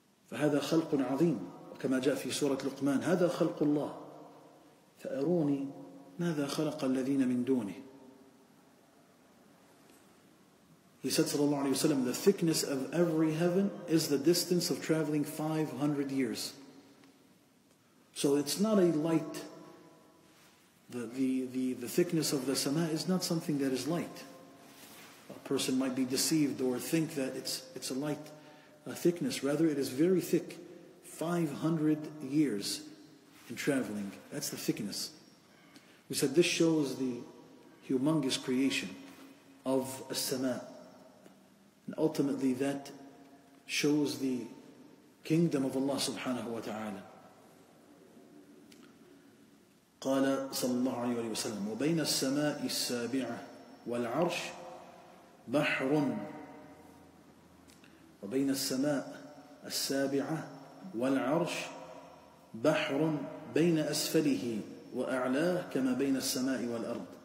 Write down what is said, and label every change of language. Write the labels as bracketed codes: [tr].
[ar] فهذا خلق عظيم كما جاء في سورة لقمان هذا خلق الله فأروني ماذا خلق الذين من دونه [en] He said [ar] صلى الله عليه وسلم [en] The thickness of every heaven is the distance of traveling 500 years So it's not a light The thickness of the sama is not something that is light. A person might be deceived or think that it's a light a thickness. Rather, it is very thick. 500 years in traveling. That's the thickness. We said this shows the humongous creation of a sama. And ultimately that shows the kingdom of Allah subhanahu wa ta'ala. [ar] قال صلى الله عليه وسلم وبين السماء السابعة والعرش بحر وبين السماء السابعة والعرش بحر بين أسفله وأعلاه كما بين السماء والأرض